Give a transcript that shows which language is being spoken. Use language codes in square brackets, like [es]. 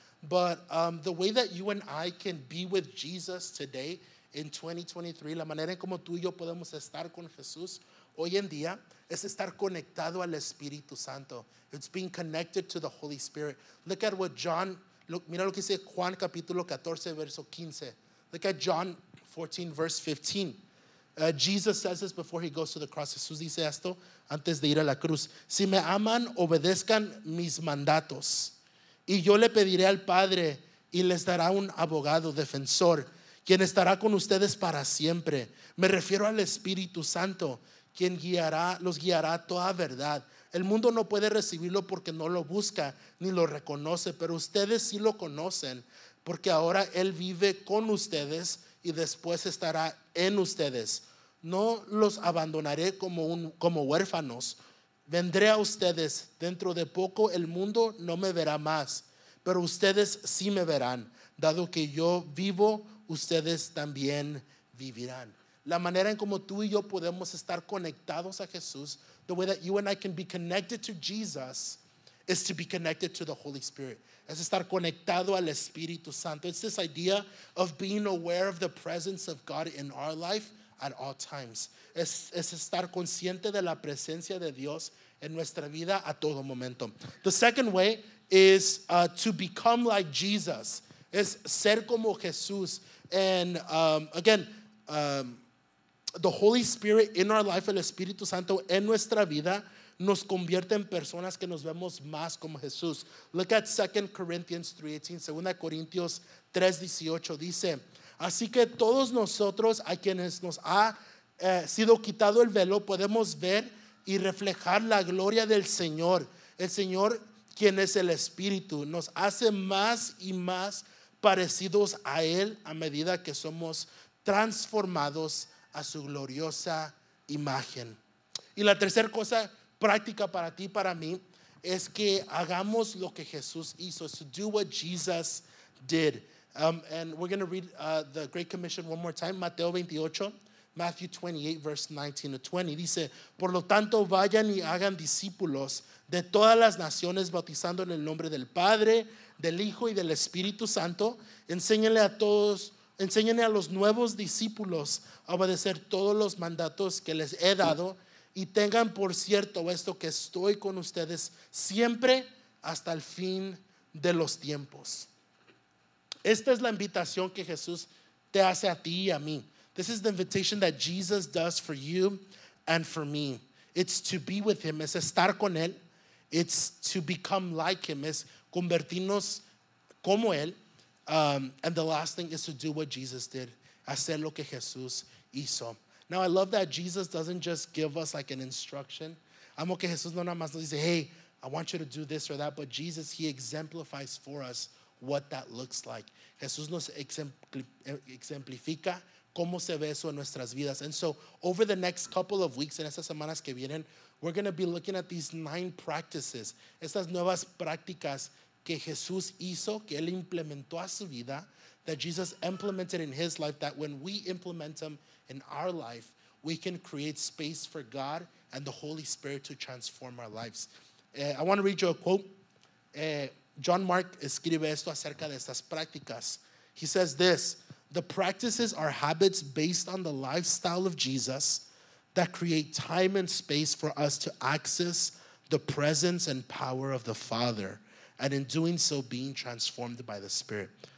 [en] But the way that you and I can be with Jesus today in 2023, [es] la manera en como tú y yo podemos estar con Jesús hoy en día, es estar conectado al Espíritu Santo. [en] It's being connected to the Holy Spirit. Look at what John, look, [es] mira lo que dice Juan capítulo 14, verso 15. [en] Look at John 14, verse 15. Jesus says this before he goes to the cross. [es] Jesús dice esto antes de ir a la cruz. Si me aman, obedezcan mis mandatos. Y yo le pediré al Padre y les dará un abogado, defensor, quien estará con ustedes para siempre. Me refiero al Espíritu Santo, quien guiará, los guiará toda verdad. El mundo no puede recibirlo porque no lo busca ni lo reconoce, pero ustedes sí lo conocen porque ahora él vive con ustedes y después estará en ustedes. No los abandonaré como huérfanos. Vendré a ustedes. Dentro de poco el mundo no me verá más, pero ustedes sí me verán. Dado que yo vivo, ustedes también vivirán. La manera en como tú y yo podemos estar conectados a Jesús, [en] the way that you and I can be connected to Jesus, is to be connected to the Holy Spirit. [es] Es estar conectado al Espíritu Santo. [en] It's this idea of being aware of the presence of God in our life at all times. [es] Es estar consciente de la presencia de Dios en nuestra vida a todo momento. [en] The second way is to become like Jesus. [es] Es ser como Jesús. [en] And the Holy Spirit in our life, [es] el Espíritu Santo en nuestra vida, nos convierte en personas que nos vemos más como Jesús. [en] Look at 2 Corinthians 3:18. [es] 2 Corintios 3:18 dice: así que todos nosotros a quienes nos ha sido quitado el velo podemos ver y reflejar la gloria del Señor. El Señor, quien es el Espíritu, nos hace más y más parecidos a Él a medida que somos transformados a su gloriosa imagen. Y la tercera cosa práctica para ti, para mí, es que hagamos lo que Jesús hizo. [en] So do what Jesus did. And we're going to read the Great Commission one more time. [es] Mateo 28, Matthew 28, verse 19 to 20. Dice, por lo tanto, vayan y hagan discípulos de todas las naciones, bautizando en el nombre del Padre, del Hijo y del Espíritu Santo. Enséñenle a todos, enséñenle a los nuevos discípulos a obedecer todos los mandatos que les he dado. Y tengan por cierto esto, que estoy con ustedes siempre hasta el fin de los tiempos. Esta es la invitación que Jesús te hace a ti y a mí. [en] This is the invitation that Jesus does for you and for me. It's to be with him, [es] es estar con él. [en] It's to become like him, [es] es convertirnos como él. [en] And the last thing is to do what Jesus did, [es] hacer lo que Jesús hizo. [en] Now, I love that Jesus doesn't just give us like an instruction. [es] Amo que Jesús no nada más nos dice, [en] hey, I want you to do this or that. But Jesus, he exemplifies for us what that looks like. [es] Jesús nos exemplifica cómo se ve eso en nuestras vidas. [en] And so over the next couple of weeks, [es] en estas semanas que vienen, [en] we're going to be looking at these 9 practices, [es] estas nuevas prácticas que Jesús hizo, que él implementó a su vida, [en] that Jesus implemented in his life, that when we implement them in our life, we can create space for God and the Holy Spirit to transform our lives. I want to read you a quote. [es] John Mark escribe esto acerca de estas prácticas. [en] He says this: the practices are habits based on the lifestyle of Jesus that create time and space for us to access the presence and power of the Father, and in doing so, being transformed by the Spirit.